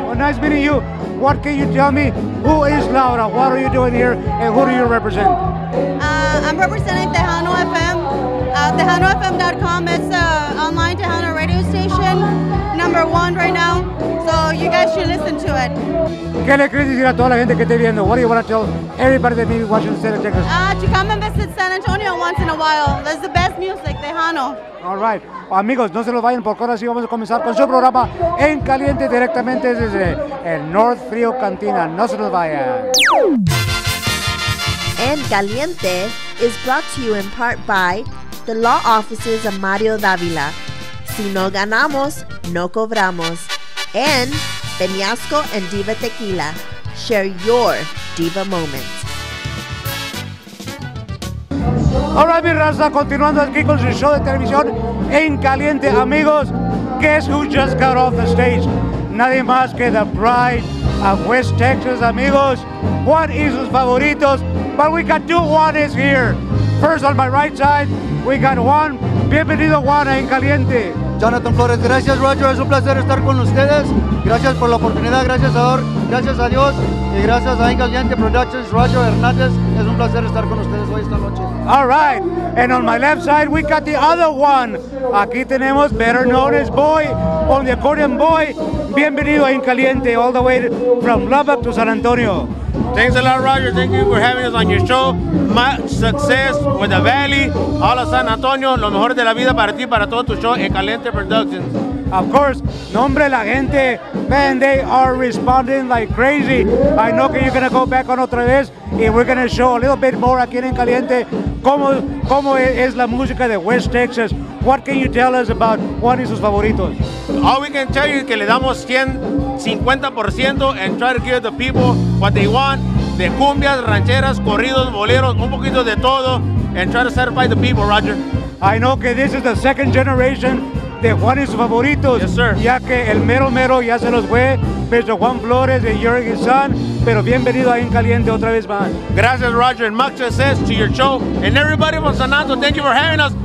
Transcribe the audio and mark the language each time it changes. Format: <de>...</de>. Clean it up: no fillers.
<en>Oh, nice meeting you. What can you tell me? Who is Laura? What are you doing here? And who do you represent? I'm representing Tejano FM. TejanoFM.com is an online Tejano radio station, number one right now. So you guys should listen to it.</en> <es>¿Qué le quieres decir a toda la gente que está viendo?</es> <en>What do you want to tell everybody that may be watching the state of Texas? To come and visit San Antonio once in a while. That's the best music, Tejano. All right.</en> <es>Amigos, no se lo vayan porque ahora sí vamos a comenzar con su programa en caliente directamente desde el North Rio Cantina. No se lo vayan.</es> <en>En Caliente is brought to you in part by the law offices of Mario Dávila.</en> <es>Si no ganamos, no cobramos. And Peñasco and Diva Tequila.</es> <en>Share your Diva moments.</en> <es>All right, mi raza, continuando aquí con su show de televisión en caliente, amigos.</es> <en>Guess who just got off the stage?</en> <es>Nadie más que</es> <en>the Pride of West Texas, amigos. Juan y sus favoritos. But we got two Juanes here. First on my right side, we got Juan.</en> <es>Bienvenido, Juan, en caliente. Jonathan Flores, gracias, Roger. Es un placer estar con ustedes. Gracias por la oportunidad. Gracias a Dios. Y gracias a Caliente Productions, Roger Hernandez. Es un placer estar con ustedes hoy esta noche.</es> <en>All right. And on my left side, we got the other one.</en> <es>Aquí tenemos,</es> <en>better known as Boy, on the accordion Boy.</en> <es>Bienvenido a Caliente,</es> <en>all the way from Lubbock to San Antonio. Thanks a lot, Roger. Thank you for having us on your show. Much success with the Valley.</en> <es>Hola, San Antonio. Lo mejor de la vida para ti, para todo tu show, Caliente Productions.</es> <en>Of course,</en> <es>nombre la gente,</es> <en>man, they are responding like crazy. I know that you're going to go back on</en> <es>otra vez,</es> <en>and we're going to show a little bit more</en> <es>aquí en Caliente, cómo es la música de West Texas.</es> <en>What can you tell us about Juan y sus favoritos? All we can tell you is</en> <es>que le damos 150%</es> <en>and try to give the people what they want,</en> <es>de cumbias, rancheras, corridos, boleros, un poquito de todo,</es> <en>and try to satisfy the people, Roger. I know que this is the second generation de Juan y sus favoritos. Yes, sir.</en> <es>Ya que el mero mero ya se los fue, Mr. Juan Flores and Jorge San, pero bienvenido a En Caliente otra vez más. Gracias, Roger,</es> <en>and much success to your show. And everybody from San Antonio, thank you for having us.</en>